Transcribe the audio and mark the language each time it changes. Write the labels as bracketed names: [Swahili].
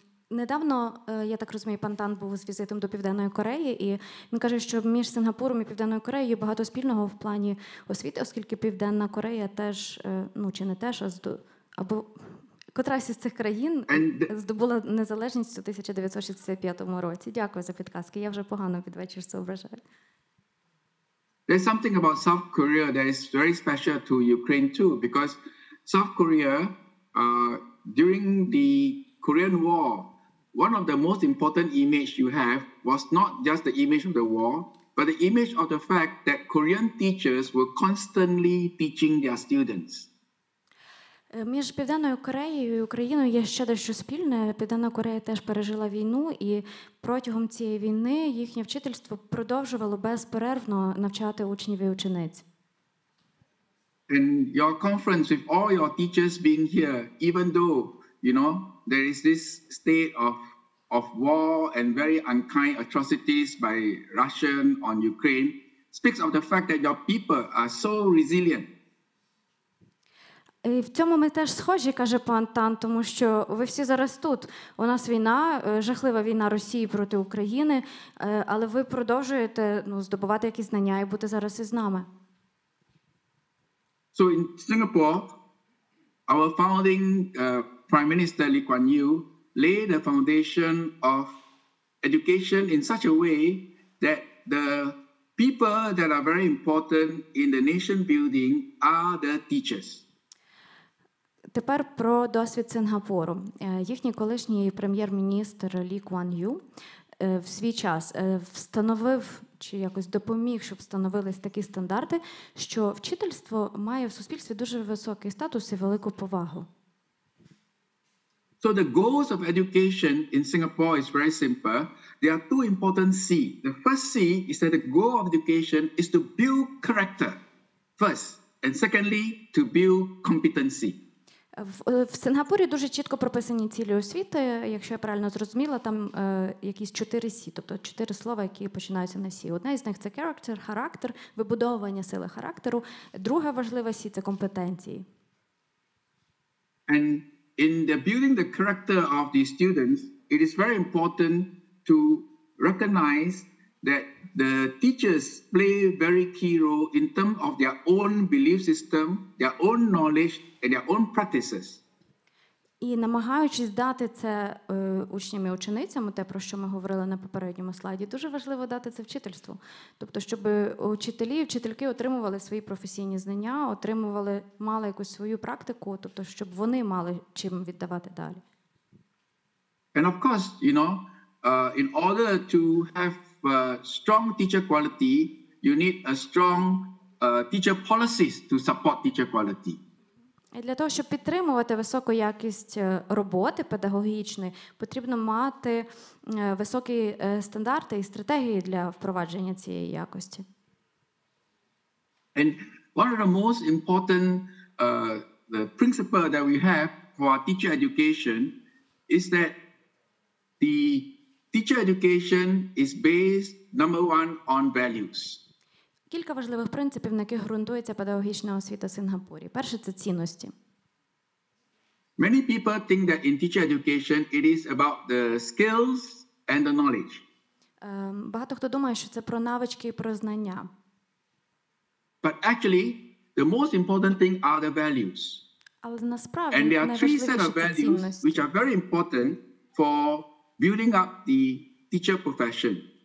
[Ukrainian] Недавно, я так розумію, пан Тан був з візитом до Південної Кореї, і він каже, що між Сингапуром і Південною Кореєю багато спільного в плані освіти, оскільки Південна Корея теж, ну, чи не теж, або котрась із цих країн здобула незалежність у 1965 році. Дякую за підказки. Я вже погано під вечір соображаю. [English] There's something about South Korea that is very special to Ukraine too, because South Korea during the Korean War, one of the most important image you have was not just the image of the war, but the image of the fact that Korean teachers were constantly teaching their students. [Ukrainian] Між Південною Кореєю і Україною є ще дещо спільне. Південна Корея теж пережила війну, і протягом цієї війни їхнє вчительство продовжувало безперервно навчати учнів і учениць. [English] And your conference with all your teachers being here, even though, you know, there is this state of war and very unkind atrocities by Russia on Ukraine, speaks of the fact that your people are so resilient. [Ukrainian] І в цьому ми теж схожі, каже пан Тан, тому що ви всі зараз тут. У нас війна, жахлива війна Росії проти України, але ви продовжуєте, ну, здобувати якісь знання і бути зараз із нами. [English] So in Singapore, our founding Prime Minister Lee Kuan Yew lay the foundation of education in such a way that the people that are very important in the nation building are the teachers. [Ukrainian] Тепер про досвід Сингапуру. Їхній колишній прем'єр-міністр Лі Куан Ю в свій час встановив чи якось допоміг, щоб встановились такі стандарти, що вчительство має в суспільстві дуже високий статус і велику повагу. [English] So the goals of education in Singapore is very simple. There are two important C. The first C is that the goal of education is to build character first, and secondly, to build competency. [Ukrainian] В Сингапурі дуже чітко прописані цілі освіти, якщо я правильно зрозуміла, там якісь чотири сі, тобто чотири слова, які починаються на сі. Одна із них – це character, характер, вибудовування сили характеру. Друга важлива сі – це компетенції. [English] And in the building the character of the students, it is very important to recognize that the teachers play very key role in terms of their own belief system, their own knowledge, and their own practices. [Ukrainian] І намагаючись дати це учням і ученицям, те, про що ми говорили на попередньому слайді, дуже важливо дати це вчительству. Тобто, щоб учителі і вчительки отримували свої професійні знання, отримували, мали якусь свою практику, тобто, щоб вони мали чим віддавати далі. [English] And of course, you know, in order to have strong teacher quality, you need a strong teacher policies to support teacher quality. [Ukrainian] І для того, щоб підтримувати високу якість роботи педагогічної, потрібно мати високі стандарти і стратегії для впровадження цієї якості. [English] And one of the most important the principle that we have for our teacher education is that the teacher education is based number one on values. [Ukrainian] Кілька важливих принципів, на яких ґрунтується педагогічна освіта в Сингапурі. Перше – це цінності. [English] Many people think that in teacher education it is about the skills and the knowledge. [Ukrainian] Багато хто думає, що це про навички і про знання. [English] But actually, the most important thing are the values. [Ukrainian] Але насправді найважливіше – це цінності. [English] Which are very important for building up the teacher profession.